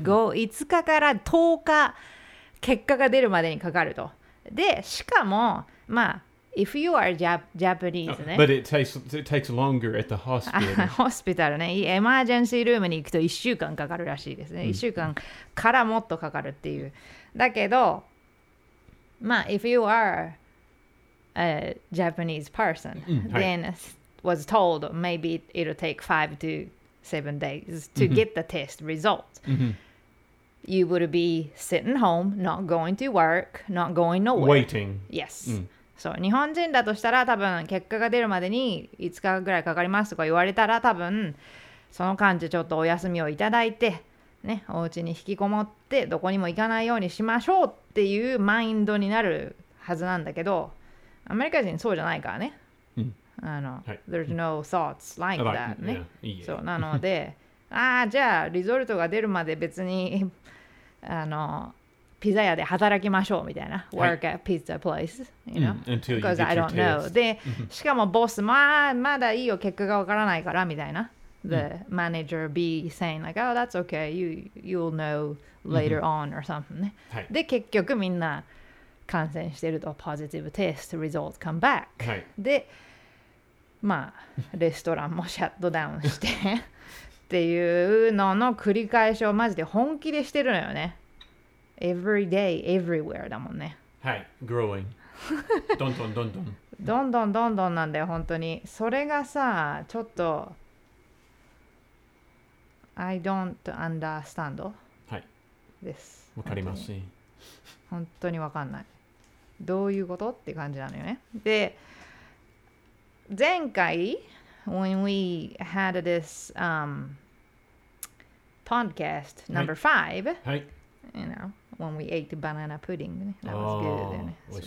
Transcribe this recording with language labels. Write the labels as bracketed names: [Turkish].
[Japanese] 5日から10日結果が出るまでにかかると。で、しかもまあ [English] If you are Japanese ね、 oh, But it takes longer at the hospital. [Japanese] Hospital ね、エマージェンシールームに行くと1週間かかるらしいですね、mm. 1週間からもっとかかるっていう。だけどまあ [English] If you are a Japanese person、 mm, then、 [Japanese] はい、 [English] was told maybe it'll take 5 to 7 days to get the test result. You would be sitting home, not going to work, not going nowhere. Waiting. Yes. [Japanese] So, 日本人だとしたら多分結果が出るまでに5日ぐらいかかりますとか言われたら多分その感じちょっとお休みをいただいてね、お家に引きこもってどこにも行かないようにしましょうっていうマインドになるはずなんだけど、アメリカ人そうじゃないからね。 [English] There's no thoughts like that. About, [Japanese] ね、 [English] yeah, yeah. [Japanese] そうなので、ああ、じゃあ、リゾルトが出るまで別にピザ屋で働きましょうみたいな。 [English] Work at pizza place, you know?、 Mm, until you get your test. Because I don't know. [Japanese] で、しかもボス、まあ、まだいいよ、結果がわからないからみたいな。 [English] The manager B saying like, oh, that's okay, you'll know later on or something.、 [Japanese] ね、で、結局みんな感染してると、 [English] positive test results come back. [Japanese] で、まあ、レストランもシャットダウンしてっていうのの繰り返しをマジで本気でしてるのよね。 [English] Every day, everywhere [Japanese] だもんね。はい、growing どんどんどんどんどんどんどんどんなんだよ、本当に。それがさ、ちょっと [English] I don't understand [Japanese] はいです。わかりません。本当にわかんない、どういうことって感じなのよね。で、前回 [English] when we had this podcast number five, you know, when we ate banana pudding, that was good.